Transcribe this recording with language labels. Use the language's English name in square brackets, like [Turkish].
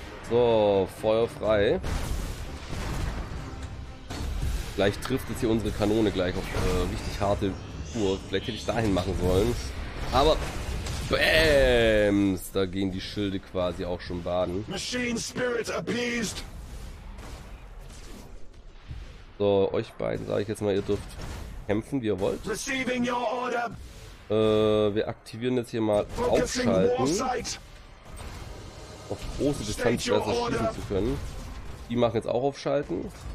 [German] So, Feuer frei. Vielleicht trifft es hier unsere Kanone gleich auf richtig harte Spur. Vielleicht hätte ich dahin machen sollen. Aber... Bäms, da gehen die Schilde quasi auch schon baden. [English] Machine Spirit appeased. [German] So, euch beiden sage ich jetzt mal, ihr dürft kämpfen, wie ihr wollt. [English] Receiving your order. [German] Wir aktivieren jetzt hier mal Aufschalten. Auf große Distanz besser schießen zu können. Die machen jetzt auch Aufschalten.